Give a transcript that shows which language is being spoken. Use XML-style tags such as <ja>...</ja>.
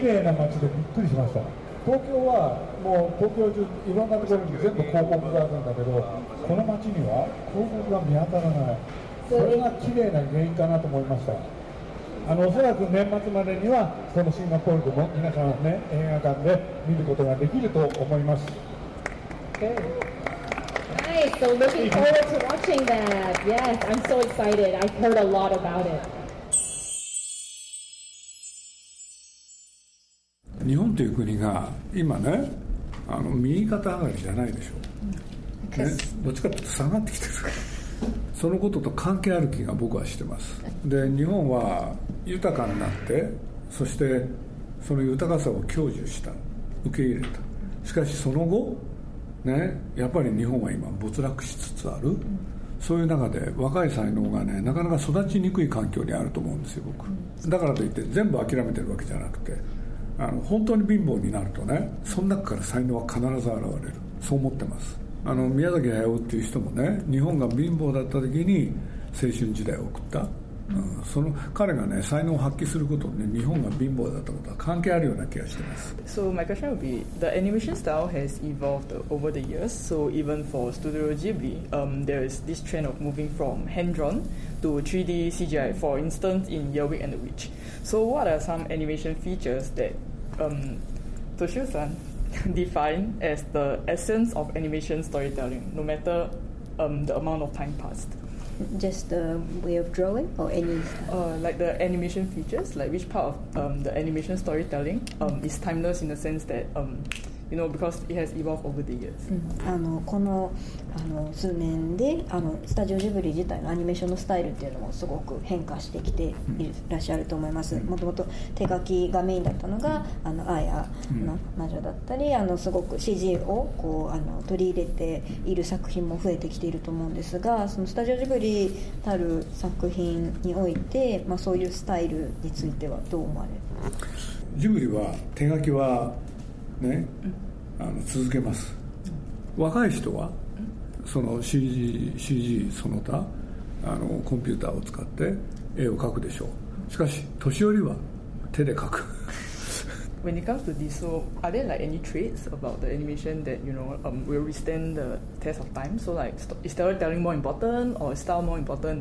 <ja>綺麗な街でびっくりしました。東京はもう東京中いろんなところに全部広告があるんだけど、この街には広告が見当たらない。それが綺麗な原因かなと思いました。おそらく年末までにはそのシンガポールでも皆さんね映画館で見ることができると思います。</ja> <en>OK. Nice. So looking forward to watching that. Yes, I'm so excited. I heard a lot about it.</en> <ja>日本という国が今ね右肩上がりじゃないでしょう、ね、どっちかというと下がってきてるそのことと関係ある気が僕はしてます。で、日本は豊かになって、そしてその豊かさを享受した、受け入れた。しかしその後ね、やっぱり日本は今没落しつつある。そういう中で若い才能がねなかなか育ちにくい環境にあると思うんですよ僕。だからといって全部諦めてるわけじゃなくて、本当に貧乏になるとね、その中から才能は必ず現れる、そう思ってます。宮崎駿っていう人もね、日本が貧乏だった時に青春時代を送った、うん、その彼がね才能を発揮することに、ね、日本が貧乏だったことは関係あるような気がしてます。</ja> <en>So my question would be, the animation style has evolved over the years. So even for Studio Ghibli, there is this trend of moving from hand-drawn to 3D CGI, for instance in Yowie and the Witch. So what are some animation features that Toshio-san define as the essence of animation storytelling, no matter the amount of time passed? Just the way of drawing or any? Like the animation features, like which part of the animation storytelling is timeless in the sense that, you know, because it has evolved over the years.</en> <ja>この数年でスタジオジブリ自体のアニメーションのスタイルっていうのもすごく変化してきていらっしゃると思います。もともと手書きがメインだったのがアヤの魔女だったり、すごく CG をこう取り入れている作品も増えてきていると思うんですが、そのスタジオジブリたる作品において、そういうスタイルについてはどう思われますか？ジブリは手書きはね、続けます。若い人はその CG その他コンピューターを使って絵を描くでしょう。しかし年寄りは手で描く。</ja> <en>When it comes to this, so are there like any traits about the animation that you know will withstand the test of time? So like is storytelling more important or style more important?</en>